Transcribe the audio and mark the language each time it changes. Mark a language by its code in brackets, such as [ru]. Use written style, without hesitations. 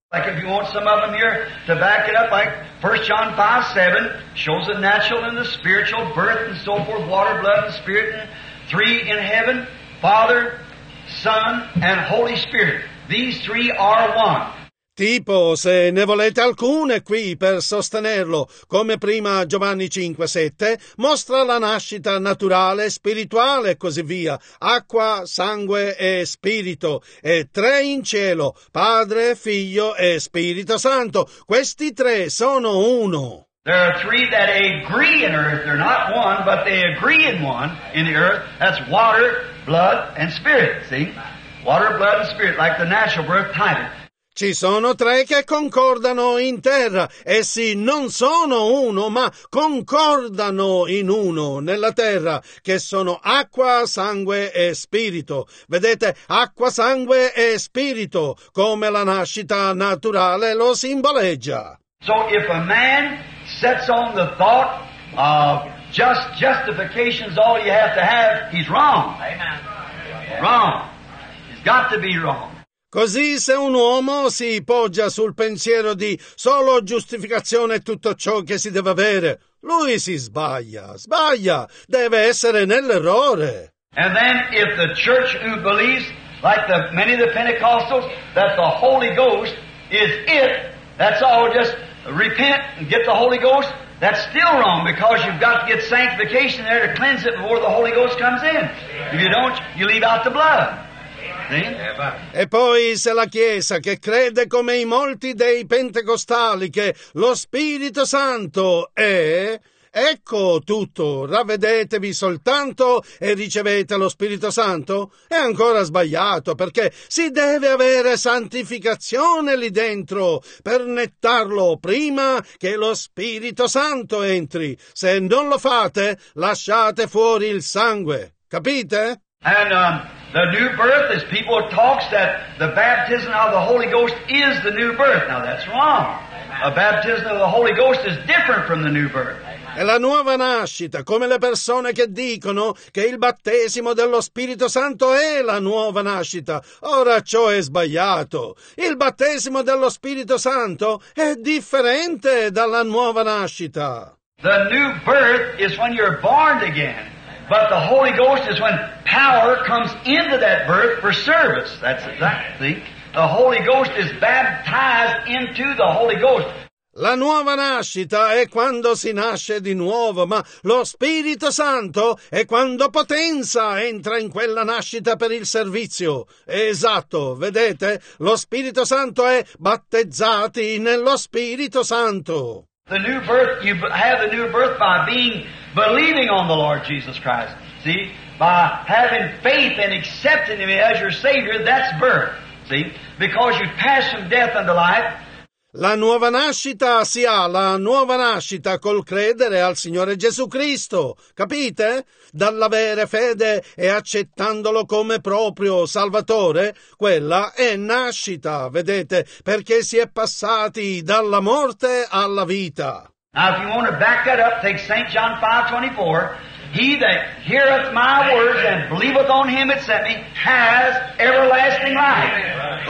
[en] Like if you want some of them here to back it up, like 1 John 5:7 shows the natural and the spiritual birth and so forth, water, blood, and spirit, and 3 in heaven, Father, Son, and Holy Spirit. These 3 are one. [it] Tipo, se ne volete alcune qui per sostenerlo, come prima Giovanni 5:7, mostra la nascita naturale, spirituale e così via, acqua, sangue e spirito, e 3 in cielo, Padre, Figlio e Spirito Santo. Questi 3 sono uno. [en] There are 3 that agree in earth. They're not one, but they agree in one in the earth. That's water, blood and spirit, see? Water, blood and spirit, like the natural birth type. [it] Ci sono 3 che concordano in terra, essi non sono uno, ma concordano in uno, nella terra, che sono acqua, sangue e spirito. Vedete, acqua, sangue e spirito, come la nascita naturale lo simboleggia. [en] So if a man sets on the thought of just justification is all you have, he's wrong. Amen. Wrong. He's got to be wrong. [it] Così se un uomo si poggia sul pensiero di solo giustificazione è tutto ciò che si deve avere, lui si sbaglia, sbaglia, deve essere nell'errore. [en] And then if the church who believes, like the many of the Pentecostals, that the Holy Ghost is it, that's all, just repent and get the Holy Ghost, that's still wrong, because you've got to get sanctification there to cleanse it before the Holy Ghost comes in. If you don't, you leave out the blood. [it] E poi se la Chiesa che crede come i molti dei pentecostali che lo Spirito Santo è, ecco tutto, ravvedetevi soltanto e ricevete lo Spirito Santo, è ancora sbagliato, perché si deve avere santificazione lì dentro per nettarlo prima che lo Spirito Santo entri. Se non lo fate, lasciate fuori il sangue, capite? [en] The new birth is people talks that the baptism of the Holy Ghost is the new birth. Now that's wrong. A baptism of the Holy Ghost is different from the new birth. [it] È la nuova nascita, come le persone che dicono che il battesimo dello Spirito Santo è la nuova nascita. Ora ciò è sbagliato. Il battesimo dello Spirito Santo è differente dalla nuova nascita. [en] The new birth is when you're born again. But the Holy Ghost is when power comes into that birth for service. That's exactly. The Holy Ghost is baptized into the Holy Ghost. [it] La nuova nascita è quando si nasce di nuovo, ma lo Spirito Santo è quando potenza entra in quella nascita per il servizio. Esatto, vedete? Lo Spirito Santo è battezzati nello Spirito Santo. [en] The new birth, you have the new birth by being believing on the Lord Jesus Christ. See? By having faith and accepting Him as your Savior, that's birth. See? Because you pass from death unto life. [it] La nuova nascita si ha, la nuova nascita col credere al Signore Gesù Cristo, capite? Dall'avere fede e accettandolo come proprio Salvatore, quella è nascita, vedete, perché si è passati dalla morte alla vita. [en] Now if you want to back that up, take St. John 5:24, He that heareth my words and believeth on him that sent me has everlasting life.